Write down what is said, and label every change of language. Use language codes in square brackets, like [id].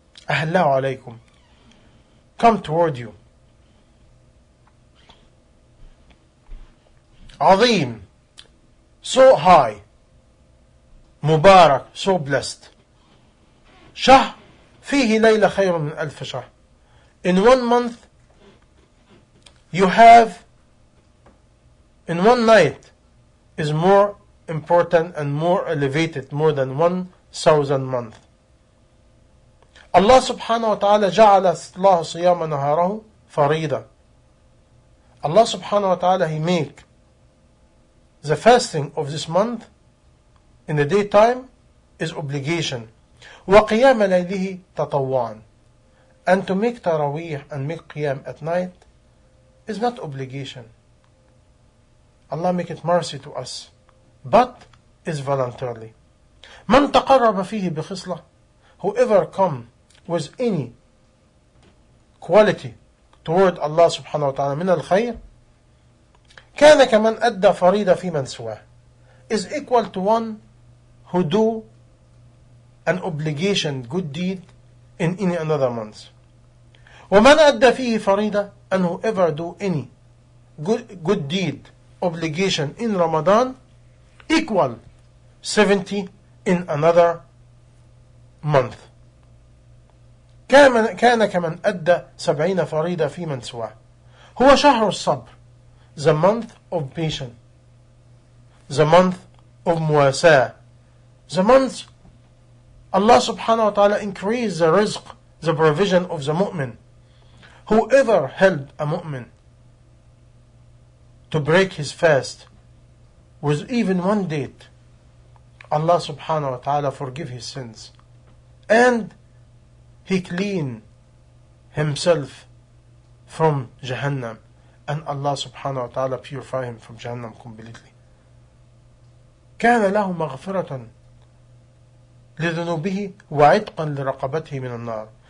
[ar] أهلاه عليكم, [en] come toward you. [ar] عظيم, [en] so high. [ar] مبارك, [en] so blessed. [ar] شهر فيه ليلة خير من ألف شهر. [en] In 1 month, you have, in one night, is more important and more elevated, more than 1,000 months. [ar] الله سبحانه وتعالى جعل الله صيام نهاره فريضة. [en] الله سبحانه وتعالى he make the fasting of this month in the daytime is obligation. [ar] وقيام ليله تطوعا. [en] And to make تراويح and make قيام at night is not obligation. Allah make it mercy to us. But is voluntarily. [ar] من تقرب فيه بخصلة. [en] Whoever come with any quality toward Allah subhanahu wa ta'ala [ar] من الخير كان كمن أدى فريضة في من سواه [en] is equal to one who do an obligation good deed in any another month. [ar] ومن أدى فيه فريضة [en] and whoever do any good deed obligation in Ramadan equal 70 in another month. [ar] كان كمن أدى 70 فريضة في من سواه. هو شهر الصبر. [en] The month of patience. The month of مواساة. The month Allah subhanahu wa ta'ala increased the rizq, the provision of the mu'min. Whoever held a mu'min to break his fast with even one date, Allah subhanahu wa ta'ala forgive his sins. And he clean himself from Jahannam. And Allah subhanahu wa ta'ala purify him from Jahannam completely. [ar] كان له مغفرة لذنوبه وعتقا لرقبته من النار.